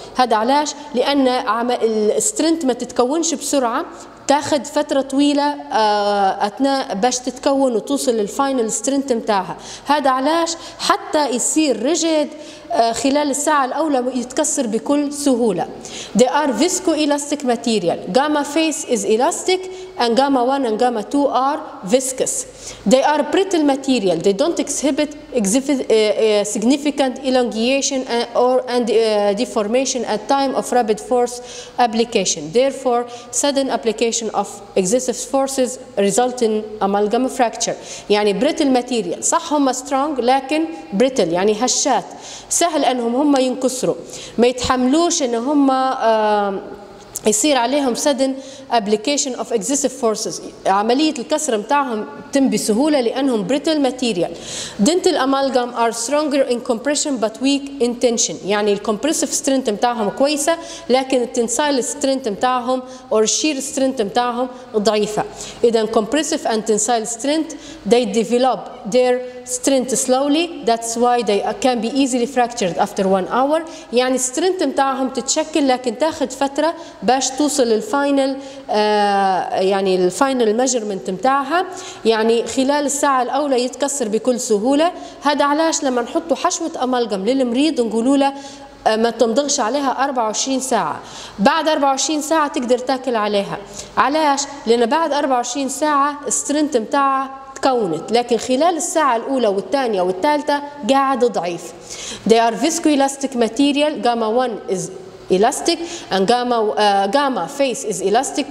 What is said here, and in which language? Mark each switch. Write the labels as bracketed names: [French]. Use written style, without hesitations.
[Arabic] هذا علاش؟ لان السترينث ما تتكونش بسرعه، تاخذ فتره طويله اثناء باش تتكون وتوصل للفاينل سترينث نتاعها. هذا علاش؟ حتى يصير ريجيد خلال الساعة الأولى يتكسر بكل سهولة. [English] They are viscoelastic material. Gamma phase is elastic and gamma 1 and gamma 2 are viscous. They are brittle material. They don't exhibit significant elongation deformation at time of rapid force application. Therefore, sudden application of excessive forces result in amalgam fracture. [Arabic] يعني [English] brittle material. [Arabic] صح هم strong لكن brittle يعني هشات. سهل أنهم هم ينكسروا، ما يتحملوش أن هم يصير عليهم [English] sudden application of excessive forces، [Arabic] عملية الكسر متاعهم تم بسهولة لأنهم [English] brittle material. dental amalgam are stronger in compression but weak in tension، يعني compressive strength [Arabic] متاعهم كويسة لكن [English] tensile strength متاعهم or shear strength [Arabic] متاعهم ضعيفة. إذا [English] compressive and tensile strength they develop their strength slowly. That's why they can be easily fractured after 1 hour. [Arabic] يعني strength متاعهم تتشكل لكن تاخد فترة باش توصل للفاينل يعني الفاينل measurement متاعها. يعني خلال الساعة الأولى يتكسر بكل سهولة. هذا علاش لما نحط حشوة أمالجم للمريض نقولوا له ما تمضغش عليها 24 ساعة. بعد 24 ساعة تقدر تاكل عليها. علاش؟ لأن بعد 24 ساعة strength متاعها كونت، لكن خلال الساعة الأولى والثانية والثالثة قاعد ضعيف. [English] They are viscoelastic material. Gamma 1 is elastic and gamma face is elastic.